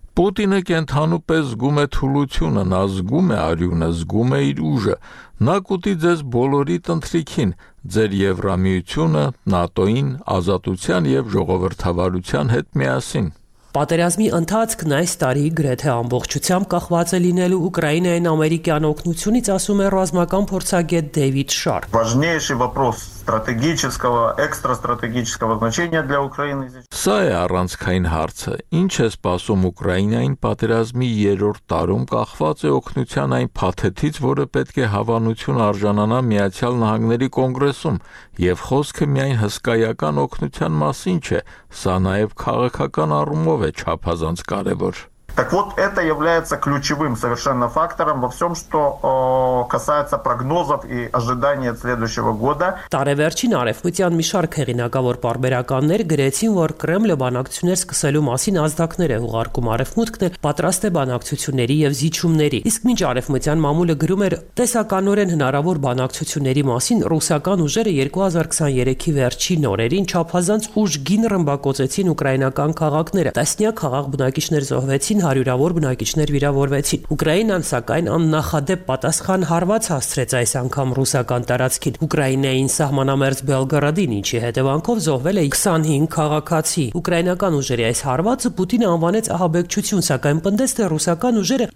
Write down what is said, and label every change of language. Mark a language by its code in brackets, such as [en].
[hy] Պուտինը կենթանու պես զգում է թուլությունը, նա զգում է արյունը, զգում է իր ուժը, նա կուտի ձեզ բոլորի տնտրիքին, ձեր Եվրամիությունը, ՆԱՏՕ-ին, ազատության և ժողովրդավարության հետ միասին։ Պատերազմի ընթացքն այս տարի գրեթե ամբողջությամբ կախված է լինելու Ուկրաինայից ամերիկյան օգնությունից, ասում է ռազմական փորձագետ Դեյվիդ Շարփ։ [ru] Важнейший вопрос стратегического, экстрастратегического значения для Украины. [hy] Սա է առանցքային հարցը։ Ինչ է սպասում Ուկրաինային պատերազմի երրորդ տարում, կախված է օգնության այն փաթեթից, որը պետք է հավանություն արժանանա Միացյալ Նահանգների կոնգրեսում, եւ խոսքը միայն հսկայական օգնության մասին չէ, սա նաեւ քաղաքական առումով չափազանց կարևոր։ [ru] Так вот, это является ключевым совершенно фактором во всем, что касается прогнозов и ожиданий от следующего года. [hy] Տարեվերջին արևմտյան մի շարք հեղինակավոր պարբերականներ գրեցին, որ Կրեմլը բանակցություններ սկսելու մասին ազդակներ է ուղարկում արևմուտքն, պատրաստ է բանակցությունների եւ զիջումների։ Իսկ մինչ արևմտյան մամուլը գրում էր տեսականորեն հնարավոր բանակցությունների մասին, ռուսական ուժերը 2023-ի վերջին օրերին չափազանց ուժ գին ռմբակոծեցին ուկրաինական քաղաքները, տասնյակ քաղաք բնակիչներ զոհվեցին, հարյուրավոր բնակիչներ վիրավորվեցին։ Ուկրաինան, սակայն, աննախադեպ պատասխան հարված հասցրեց այս անգամ ռուսական տարածքին։ Ուկրաինային սահմանամերձ Բելգրադին, ինչի հետևանքով զոհվել է 25 քաղաքացի։ Ուկրաինական ուժերի այս հարվածը Պուտինը անվանեց ահաբեկչություն, սակայն պնդեց, թե ռուսական ուժերը